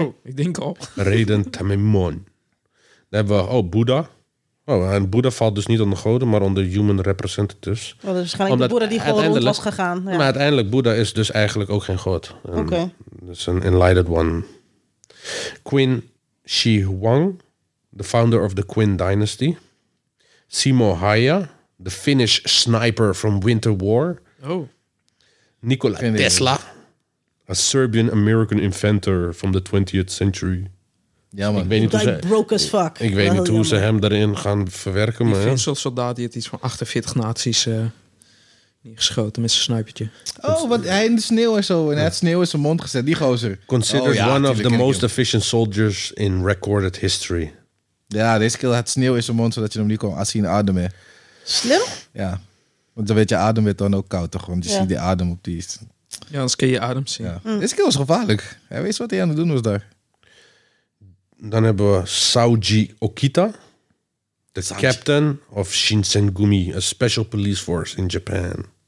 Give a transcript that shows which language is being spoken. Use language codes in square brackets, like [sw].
[nl] Oh, ik denk al. Raiden Tamemon. Dan hebben we, Boeddha. Oh, en Boeddha valt dus niet onder goden, maar onder [en] human representatives. [nl] Oh, dat is waarschijnlijk omdat de Boeddha die gewoon rond was gegaan. Ja. Maar uiteindelijk, Boeddha is dus eigenlijk ook geen god. Oké. Okay. Dus een [en] enlightened one. Qin Shi Huang, the founder of the Qin dynasty. Simo Haya, the Finnish sniper from Winter War. [nl] Oh. [en] Nikola Tesla, a Serbian-American inventor from the 20th century. [nl] Ik weet niet hoe ze hem erin gaan verwerken. Die Finse soldaat die heeft iets van 48 nazi's neergeschoten met zijn snuipertje. Oh, want hij in de sneeuw en zo. En hij had sneeuw in zijn mond gezet, die gozer. [en] Considered one of the most efficient soldiers in recorded history. [nl] Ja, deze keer had sneeuw in zijn mond, zodat je hem niet kon zien ademen. Slim? Ja, want dan werd je adem werd dan ook koud, toch? Want je ziet die adem op die... Ja, anders kun je adem zien. Ja. Deze keer was gevaarlijk. Hij wist wat hij aan het doen was daar. Dan hebben we [en] Saoji Okita, captain of Shinsengumi, a special police force in Japan.